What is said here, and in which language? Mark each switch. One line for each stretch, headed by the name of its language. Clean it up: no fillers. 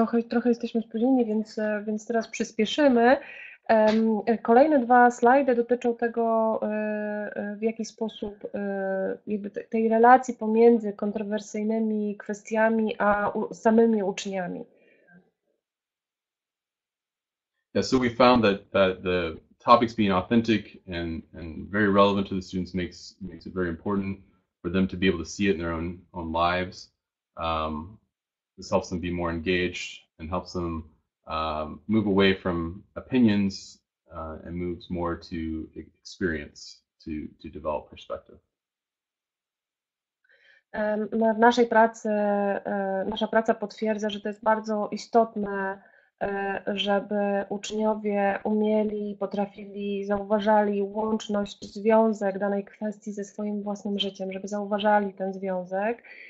Polish: Trochę jesteśmy spóźnieni, więc teraz przyspieszymy. Kolejne dwa slajdy dotyczą tego, w jaki sposób jakby tej relacji pomiędzy kontrowersyjnymi kwestiami a samymi uczniami.
English: Yeah, so we found that the topics being authentic and very relevant to the students makes it very important for them to be able to see it in their own lives. This helps them be more engaged and helps them move away from opinions and moves more to experience, to develop perspective.
Polish: W naszej pracy, nasza praca potwierdza, że to jest bardzo istotne, żeby uczniowie umieli, potrafili, zauważali łączność, związek danej kwestii ze swoim własnym życiem, żeby zauważali ten związek.